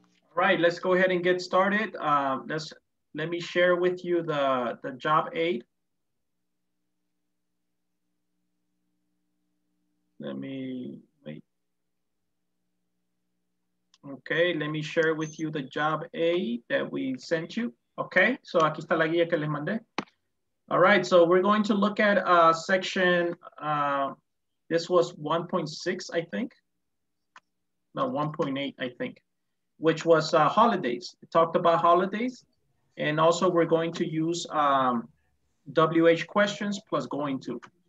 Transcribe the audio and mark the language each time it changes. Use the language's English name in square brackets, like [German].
[English] All right, let's go ahead and get started. Let me share with you the job aid. Let me share with you the job aid that we sent you. [Spanish] Okay, so aquí está la guía que les mandé. [English] All right, so we're going to look at section, this was 1.6, I think. No, 1.8, I think, which was holidays. It talked about holidays. And also we're going to use WH questions plus going to.